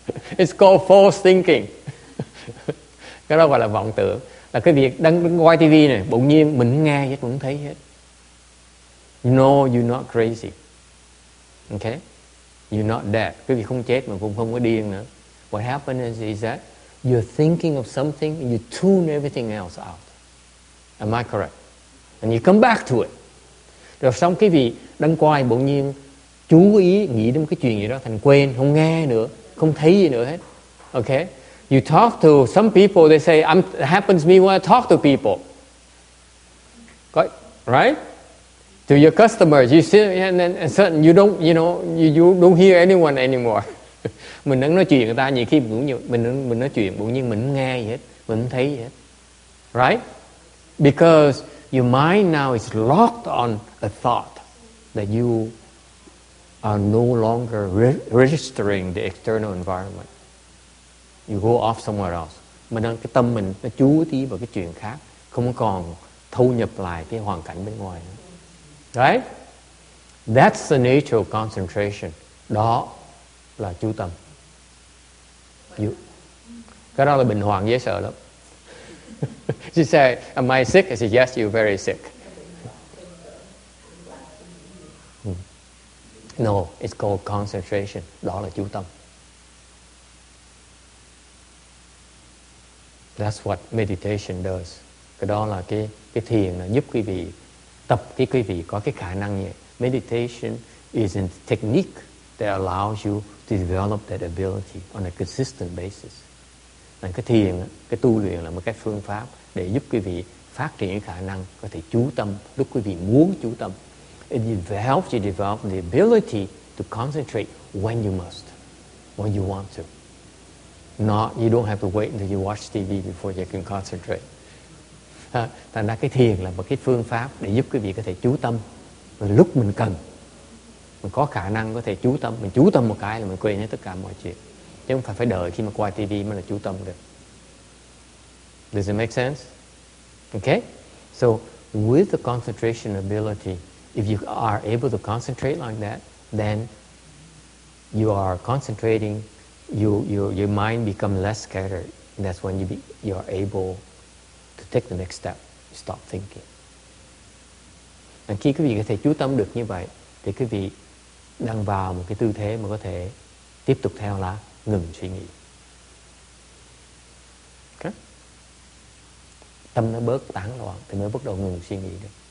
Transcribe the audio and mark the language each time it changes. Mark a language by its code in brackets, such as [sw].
[en] It's called false thinking. [vi] Cái đó gọi là vọng tưởng, là cái việc đang coi TV này, bỗng nhiên mình nghe gì hết, mình thấy gì hết. [en] No, you're not crazy. Okay? You're not dead. [vi] Cái việc không chết mà cũng không có điên nữa. [en] What happens is that you're thinking of something and you tune everything else out. Am I correct? And you come back to it. [vi] Rồi xong cái vị đang quay bỗng nhiên chú ý nghĩ đến cái chuyện gì đó thành quên, không nghe nữa, không thấy gì nữa hết. [en] Okay? You talk to some people, they say, it happens to me when I talk to people. Right? To your customers, you see, and then and suddenly you don't, you know, you don't hear anyone anymore. [vi] Mình đang nói chuyện người ta, nhiều khi cũng như mình nói chuyện bỗng nhiên mình nghe gì hết, mình thấy gì hết, right? [en] Because your mind now is locked on a thought that you are no longer registering the external environment. You go off somewhere else. [vi] Mình đang cái tâm mình nó chú ý vào cái chuyện khác, không còn thu nhập lại cái hoàn cảnh bên ngoài nữa, right? [en] That's the nature of concentration. [vi] Đó là chú tâm. [en] You. [vi] Cái đó là bình hoàng dễ sợ lắm. [en] She said, am I sick? I said, yes, you're very sick. No, it's called concentration. [vi] Đó là chú tâm. [en] That's what meditation does. [vi] Cái đó là cái thiền là giúp quý vị tập cái quý vị có cái khả năng như vậy. [en] Meditation is a technique that allows you to develop that ability on a consistent basis. [vi] Nên cái thiền, cái tu luyện là một cái phương pháp để giúp quý vị phát triển cái khả năng có thể chú tâm lúc quý vị muốn chú tâm. [en] It helps you develop the ability to concentrate when you must, when you want to. Not, you don't have to wait until you watch TV before you can concentrate. [vi] Thành ra cái thiền là một cái phương pháp để giúp quý vị có thể chú tâm lúc mình cần. Mình có khả năng có thể chú tâm. Mình chú tâm một cái là mình quên hết tất cả mọi chuyện. Chứ không phải đợi khi mà qua TV mới là chú tâm được. [en] Does it make sense? Okay? So, with the concentration ability, if you are able to concentrate like that, then you are concentrating, your mind becomes less scattered. And that's when you are able to take the next step. You stop thinking. [vi] And khi quý vị có thể chú tâm được như vậy, thì quý vị đang vào một cái tư thế mà có thể tiếp tục theo là ngừng suy nghĩ. Okay. Tâm nó bớt tán loạn thì mới bắt đầu ngừng suy nghĩ được.